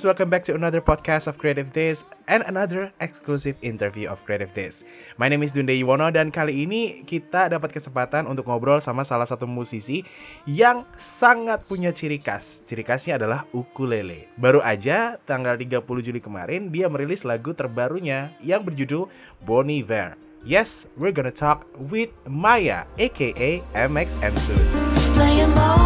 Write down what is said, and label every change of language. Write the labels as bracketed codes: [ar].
[en] Welcome back to another podcast of Creative This and another exclusive interview of Creative This. My name is [id] Dunde Iwono dan kali ini kita dapat kesempatan untuk ngobrol sama salah satu musisi yang sangat punya ciri khas. Ciri khasnya adalah ukulele. Baru aja tanggal 30 Juli kemarin dia merilis lagu terbarunya yang berjudul Bon Iver. [en] Yes, we're gonna talk with Maya, aka MXM2.